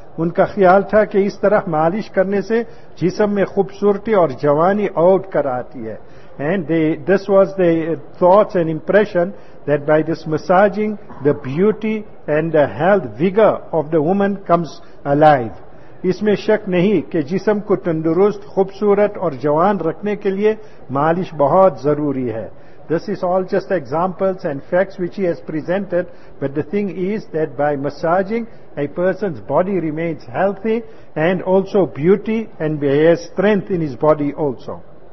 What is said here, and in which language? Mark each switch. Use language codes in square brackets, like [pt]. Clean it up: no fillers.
[ur] ان کا خیال تھا کہ اس طرح مالش کرنے سے جسم میں خوبصورتی اور جوانی آؤٹ کر آتی ہے. [en] This was the thoughts and impression that by this massaging, the beauty and the health vigor of the woman comes alive. [ur] اس میں شک نہیں کہ جسم کو تندرست خوبصورت اور جوان رکھنے کے لیے مالش بہت ضروری ہے. [en] This is all just examples and facts which he has presented, but the thing is that by massaging a person's body remains healthy and also beauty and has strength in his body also.